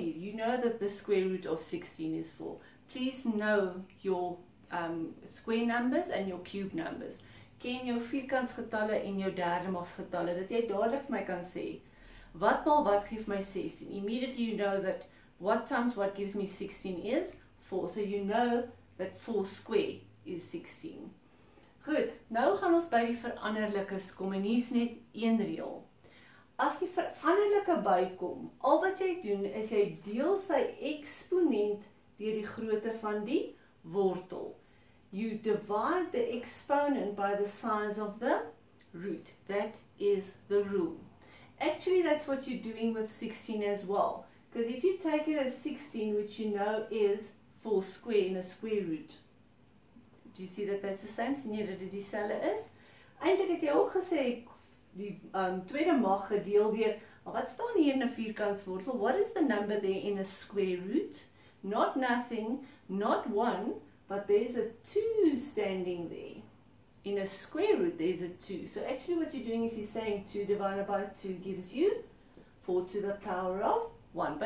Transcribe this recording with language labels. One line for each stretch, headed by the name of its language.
English: You know that the square root of 16 is 4. Please know your square numbers and your cube numbers.
Afrikaans: Ken jou vierkantsgetalle en jou derdemagsgetalle, dat jy dadelijk vir my kan sê, wat maal wat geef my 16?
English: Immediately you know that what times what gives me 16 is 4. So you know that 4 square is 16.
Afrikaans: Goed, nou gaan ons by die veranderlikes kom en hier is net een reël. As die veranderlike bykom, al wat jy doen is jy deel sy eksponent deur die grootte van die wortel.
English: You divide the exponent by the size of the root. That is the rule. actually that's what you're doing with 16 as well. Because if you take it as 16, which you know is 4 square in a square root, do you see that that's the same?
Afrikaans: Sien jy dat dit dieselfde is? Eintlik het jy ook gesê, die tweede mag gedeel deur, maar wat staan hier in 'n vierkantswortel?
English: What is the number there in a square root? Not nothing, not 1, but there's a 2 standing there. In a square root, there's a 2. So actually what you're doing is you're saying 2 divided by 2 gives you 4 to the power of 1.